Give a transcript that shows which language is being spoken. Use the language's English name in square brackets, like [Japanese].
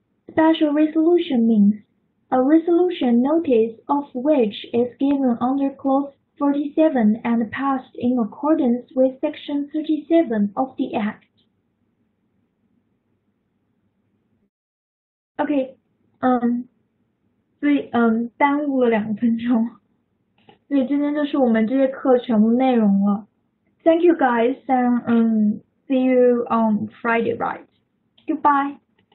[English] Special resolution means a resolution notice of which is given under Clause 47 and passed in accordance with Section 37 of the Act. [Chinese] Okay,所以耽误了两分钟，所以今天就是我们这节课全部内容了。 [English] Thank you guys and see you on Friday, right? Goodbye.